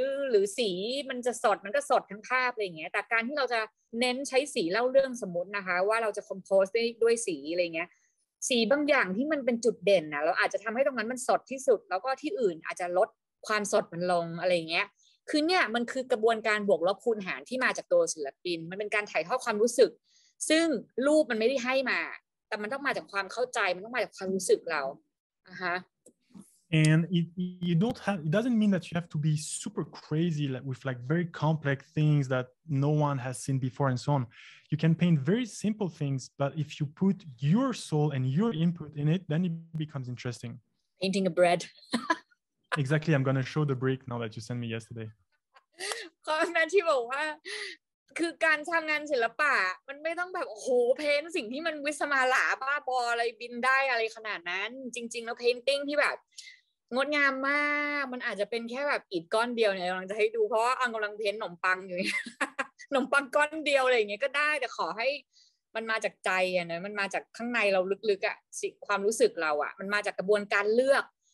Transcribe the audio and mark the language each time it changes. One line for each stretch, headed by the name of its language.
Thai: หรือสีมันจะสดมันก็สดทั้งภาพอะไรอย่างเงี้ยแต่การที่เราจะเน้นใช้สีเล่าเรื่องสมมุตินะคะว่าเราจะคอมโพสด้วยสีอะไรเงี้ยสีบางอย่างที่มันเป็นจุดเด่นนะเราอาจจะทําให้ตรงนั้นมันสดที่สุดแล้วก็ที่อื่นอาจจะลดความสดมันลงอะไรเงี้ยคือเนี่ยมันคือกระบวนการบวกลบคูณหารที่มาจากตัวศิลปินมันเป็นการถ่ายทอดความรู้สึกซึ่งรูปมันไม่ได้ให้มาแต่มันต้องมาจากความเข้าใจมันต้องมาจากความรู้สึกเรานะคะ
English: And it doesn't mean that you have to be super crazy like with like very complex things that no one has seen before and so on. You can paint very simple things, but if you put your soul and your input in it, then it becomes interesting. Painting a bread. Exactly, I'm gonna show the brick now that you sent me yesterday.
Thai: Matthew บอกว่าคือการทำงานศิลปะมันไม่ต้องแบบโอ้โหเพ้นสิ่งที่มันวิสมาหลาบ้าบออะไรบินได้อะไรขนาดนั้นจริงๆแล้วเพ้นติ้งที่แบบงดงามมากมันอาจจะเป็นแค่แบบอิฐก้อนเดียวเนี่ยกำลังจะให้ดูเพราะว่ากำลังเพ้นขนมปังอยู่ขนมปังก้อนเดียวอะไรอย่างเงี้ยก็ได้แต่ขอให้มันมาจากใจอ่ะนะมันมาจากข้างในเราลึกๆอ่ะสิความรู้สึกเราอ่ะมันมาจากกระบวนการเลือก